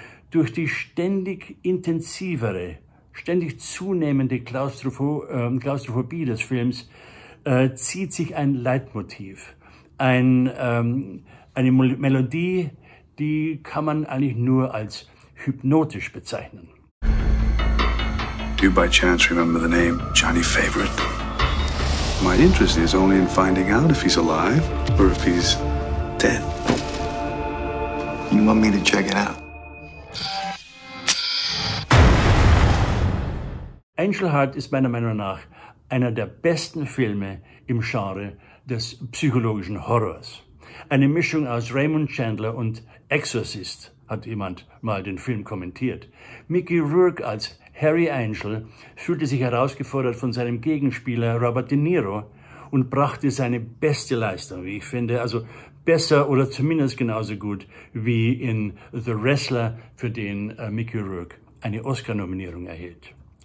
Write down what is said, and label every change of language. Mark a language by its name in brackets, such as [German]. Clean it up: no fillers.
[German] Durch die ständig intensivere, ständig zunehmende Klaustrophobie des Films zieht sich ein Leitmotiv, eine Melodie, die kann man eigentlich nur als hypnotisch bezeichnen. [English] Do you by chance remember the name Johnny Favorite? My interest is only in finding out if he's alive or if he's dead. You want me to check it out? [German] Angel Heart ist meiner Meinung nach einer der besten Filme im Genre des psychologischen Horrors. Eine Mischung aus Raymond Chandler und Exorcist, hat jemand mal den Film kommentiert. Mickey Rourke als Harry Angel fühlte sich herausgefordert von seinem Gegenspieler Robert De Niro und brachte seine beste Leistung, wie ich finde, also besser oder zumindest genauso gut wie in The Wrestler, für den Mickey Rourke eine Oscar-Nominierung erhielt.